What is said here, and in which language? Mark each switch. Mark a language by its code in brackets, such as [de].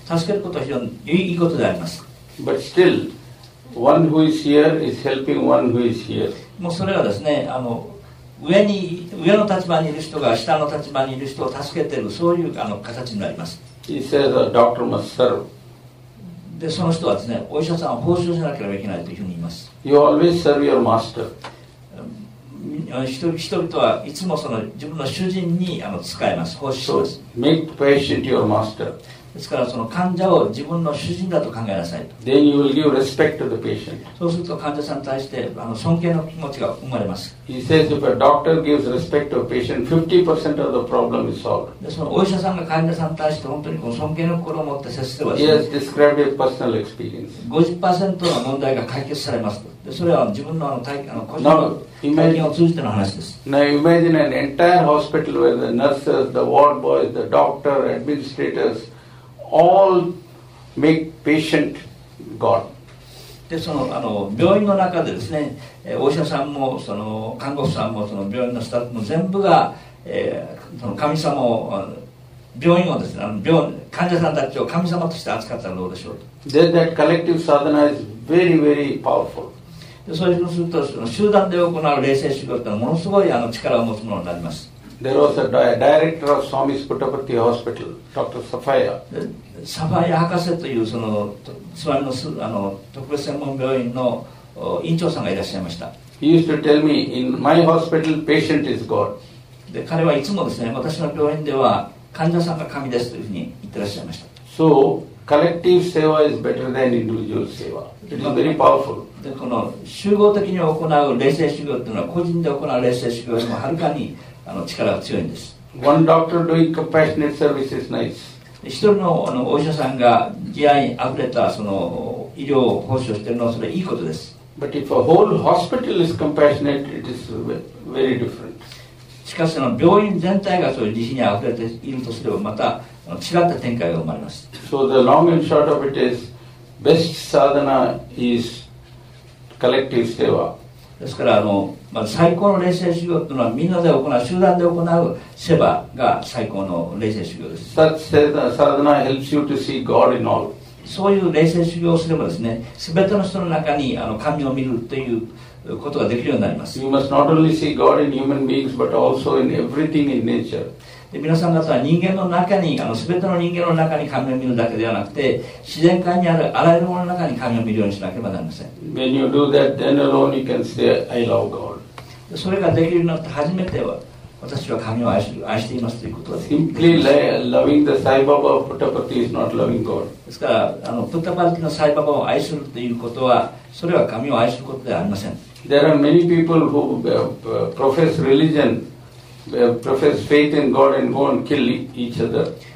[ja] 助けることは非常にいいことであります。 [en] But still. One who is here is helping one who is here. [ja] もうそれはですね、あの 上の立場にいる人が下の立場にいる人を助けている、そういうあの形になります。 [en] He says a doctor must serve. [ja] で、その人はですね、お医者さんは報酬しなければいけないというふうに言います。 [en] You always serve your master. [ja] 人々はいつもその自分の主人にあの使います、報酬します。 [en] So, make the patient your master. [ja] ですからその患者を自分の主人だと考えなさいと。 [en] Then you will give respect to the patient. [ja] そうすると患者さんに対してあの尊敬の気持ちが生まれます。 [en] He says if a doctor gives respect to a patient, 50% of the problem is solved. [ja] でそのお医者さんが患者さんに対して本当にこう尊敬の心を持って接すれば、 [en] He has described a personal experience. [ja] 50% の問題が解決されますと。でそれは自分のあの体あの個人の体験を通じての話です。 [en] Now imagine an entire hospital where the nurses, the ward boys, the doctor, administrators. All make patient God. [ja] でそのあの病院の中でですね、お医者さんもその看護婦さんもその病院のスタッフも全部が、その神様を病院をですね、あの患者さんたちを神様として扱ったらどうでしょうと。 [en] Then that collective sadhana is very very powerful. [ja] でそうするとその集団で行う霊性修行ってのはものすごいあの力を持つものになります。 [en] There was a director of Swami's Puttaparthi Hospital, Dr. Safaya. [ja] Safaya 博士というその Swami の、 あの特別専門病院の院長さんがいらっしゃいました。 [en] He used to tell me, in my hospital, patient is God. [ja] で彼はいつもですね、私の病院では患者さんが神ですというふうに言ってらっしゃいました。 [en] So, collective seva is better than individual seva. It is very powerful. [ja] でこの集合的に行う霊性修行というのは、個人で行う霊性修行よりもはるかにあの力が強いんです。 [en] One doctor doing compassionate service is nice. [ja] 一人 の、 あのお医者さんが慈愛あふれたその医療を奉仕しているのは、それはいいことです。 [en] But if a whole hospital is compassionate, it is very different. [ja] しかし、病院全体がそういう慈悲にあふれているとすれば、また違った展開が生まれます。 [en] So the long and short of it is, best sadhana is collective seva. [ja] ですからあの、まあ、最高の霊性修行というのはみんなで行う、集団で行うセバが最高の霊性修行です。 [en] Such sadhana helps you to see God in all. [ja] そういう霊性修行をすればですね、すべての人の中にあの神を見るということができるようになります。 [en] You must not only see God in human beings, but also in everything in nature. [ja] で皆さん方は人間の中に、すべての人間の中に神を見るだけではなくて、自然界にあるあらゆるものの中に神を見るようにしなければなりません。 [en] When you do that, then alone you can say, I love God. [ja] それができるようになって初めては、私は神を愛していますということです。 [en] Simply loving the Sai Baba of Puttaparthi is not loving God. [ja] ですから、Puttaparthi の Sai Baba を愛するということは、それは神を愛することではありません。 [en] There are many people who profess religion. Profess faith in God and go and kill each other.